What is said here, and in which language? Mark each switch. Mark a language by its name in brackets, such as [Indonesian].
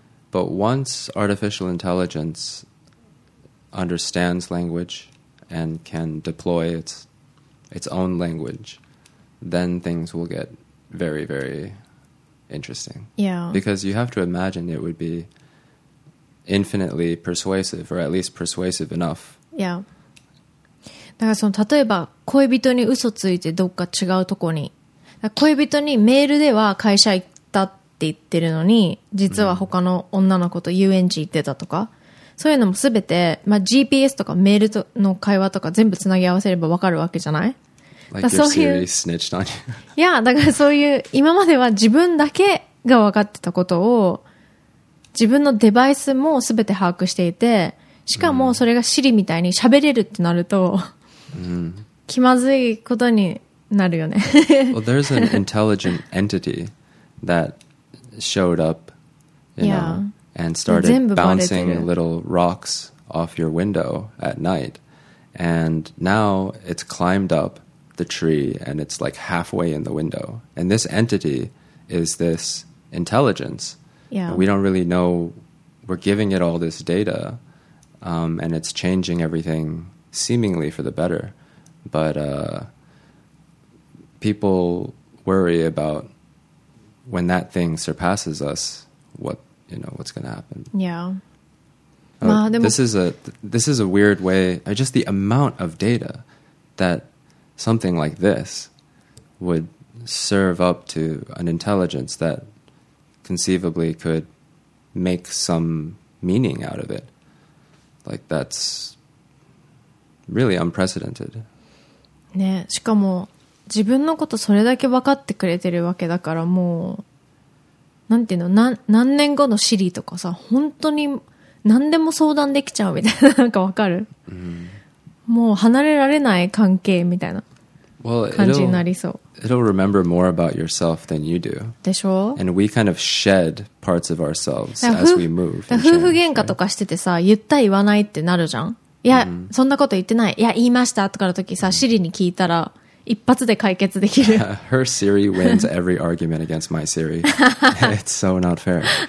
[English] But once artificial intelligence understands language and can deploy its own language, then things will get very, very interesting. Yeah. Because you have to imagine it would be infinitely persuasive, or at least persuasive enough. Yeah. [Japanese] だからその例えば恋人に嘘ついてどっか違うとこに、だから恋人にメールでは会社行ったってって言ってるのに実は他の女の子と遊園地行ってたとか、そういうのも全て、まあ、GPS とかメールとの会話とか全部つなぎ合わせれば分かるわけじゃない、 [English] like、 [Japanese] そういう [English] snitched on you. [Japanese] いやだからそういう今までは自分だけが分かってたことを自分のデバイスも全て把握していて、しかもそれが Siri みたいに喋れるってなると、気まずいことになるよね。 [English] Well, there's an intelligent entity thatshowed up, you know, and started bouncing little rocks off your window at night. And now it's climbed up the tree and it's like halfway in the window. And this entity is this intelligence. Yeah. We don't really know. We're giving it all this data, and it's changing everything seemingly for the better. But people worry aboutWhen that thing surpasses us, what, you know, what's going to happen? Yeah. This is a weird way. Just the amount of data that something like this would serve up to an intelligence that conceivably could make some meaning out of it. like that's really unprecedented. [Japanese] ね、しかも自分のことそれだけ分かってくれてるわけだから、もうなんていうの、何年後のシリとかさ、本当に何でも相談できちゃうみたいな、なんかわかる、もう離れられない関係みたいな感じになりそう。 [English] Well, it'll remember more about yourself than you do. [Japanese] でしょ。 [English] And we kind of shed parts of ourselves as we move. [Japanese] だから夫婦喧嘩とかしててさ、言った言わないってなるじゃん。いや、そんなこと言ってない、いや言いましたとかの時さ、シリに聞いたら一発で解決できる。 [English] Her Siri wins every argument against my Siri. It's so not fair.